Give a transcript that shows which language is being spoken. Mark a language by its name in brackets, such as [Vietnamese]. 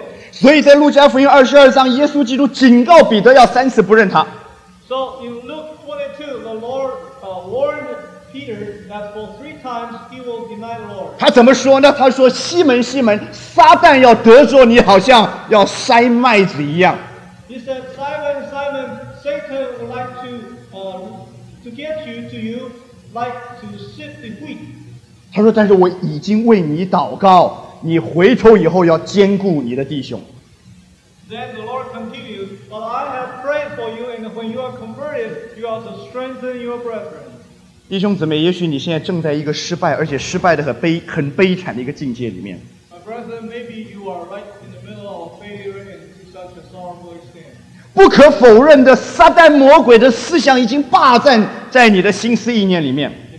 [Chinese] 所以在路加福音二十二章，耶稣基督警告彼得要三次不认他。 [English] So in Luke 22, the Lord warned Peter that for three times he will deny the Lord. [Chinese] 他怎么说呢？他说：“西门，西门，撒旦要得着你，好像要筛麦子一样。” [English] He said, "Simon, Simon, Satan would like to get you to you like to sift the wheat." [Chinese] 他说：“但是我已经为你祷告。” 你回头以后要兼顾你的弟兄。 [English] Then the Lord continues, "But I have prayed for you, and when you are converted, you are to strengthen your brethren." [Chinese] 弟兄姊妹，也许你现在正在一个失败，而且失败的很悲惨的一个境界里面。 [English] My brethren, maybe you are right in the middle of failure and such a sorrowful extent. [Chinese] 不可否认的，撒旦魔鬼的思想已经霸占在你的心思意念里面。